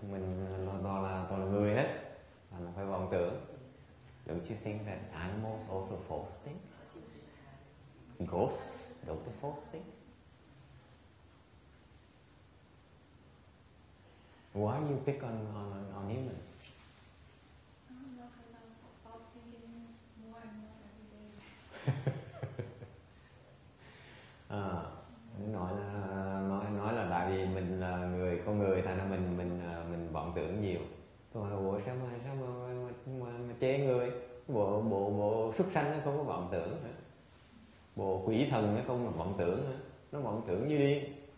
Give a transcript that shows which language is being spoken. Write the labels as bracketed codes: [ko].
[vi] Mình toàn là người hết, là phải vọng tưởng. [en] Don't you think that animals also false think? Ghosts, don't they false think? Why do you pick on humans? I don't know, because I'm false thinking more and more every day. [vi] nói là tại vì mình là người con người thành ra mình vọng tưởng nhiều. Tôi hỏi sao mà chê người bộ súc sanh nó không có vọng tưởng, bộ quỷ thần nó không có vọng tưởng, nó vọng tưởng như điên.